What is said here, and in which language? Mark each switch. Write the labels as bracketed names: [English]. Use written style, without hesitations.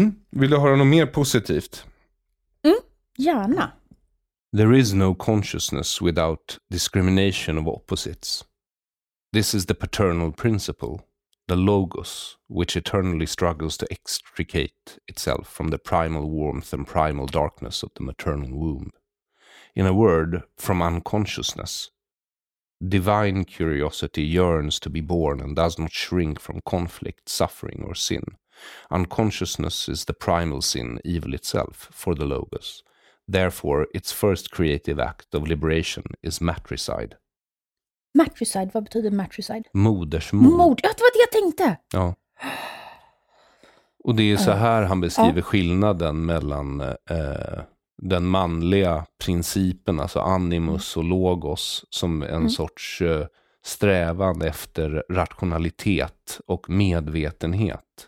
[Swedish] Vill du höra något mer positivt? Mm, gärna. [English] There is no consciousness without discrimination of opposites. This is the paternal principle, the logos, which eternally struggles to extricate itself from the primal warmth and primal darkness of the maternal womb. In a word, from unconsciousness. Divine curiosity yearns to be born and does not shrink from conflict, suffering, or sin. Unconsciousness is the primal sin, evil itself, for the logos. Therefore, its first creative act of liberation is matricide. [Swedish] Matricide, vad betyder matricide? Modersmord. Mord, ja, det var det jag tänkte. Ja. Och det är så här han beskriver skillnaden mellan den manliga principen, alltså animus och logos, som en sorts strävan efter rationalitet och medvetenhet.